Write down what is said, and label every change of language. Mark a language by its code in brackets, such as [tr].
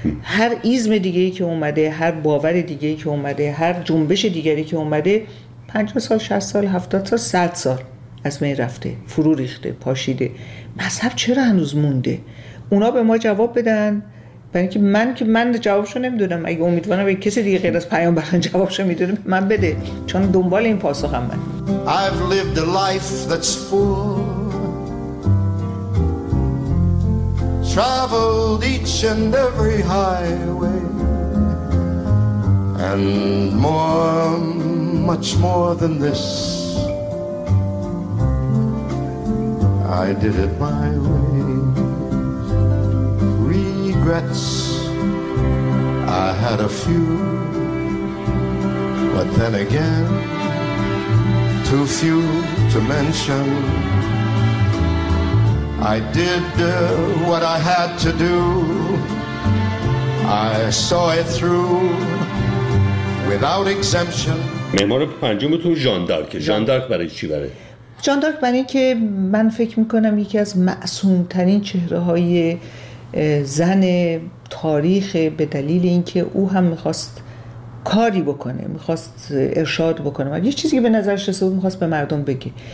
[fa] هر ایزم دیگه‌ای که اومده، هر باور دیگه‌ای که اومده، هر جنبش دیگری که اومده، 50 سال، 60 سال، 70 سال، 100 سال از بین رفته، فرو ریخته، پاشیده. مذهب چرا هنوز مونده؟ اونا به ما جواب بدن، برای اینکه من جوابشو نمیدونم. اگه امیدوارم به کسی دیگه غیر از پیامبران جوابشو میدونم، من بده، چون دنبال این پاسخم من. [en] I've lived a life that's full, traveled each and every highway, and more, much more than this, I did it my way. Regrets, I had a few, but then again, too few to mention. I did what I had to do, I saw it through without exemption. [fa] معمار پنجمتون ژان دارک. ژان دارک برای چی بره؟ ژان دارک برای اینکه من فکر میکنم یکی از معصومترین چهره های زن تاریخ، به دلیل اینکه او هم میخواست کاری بکنه، میخواست ارشاد بکنه، یه چیزی که به نظرش رسید میخواست به مردم بگه.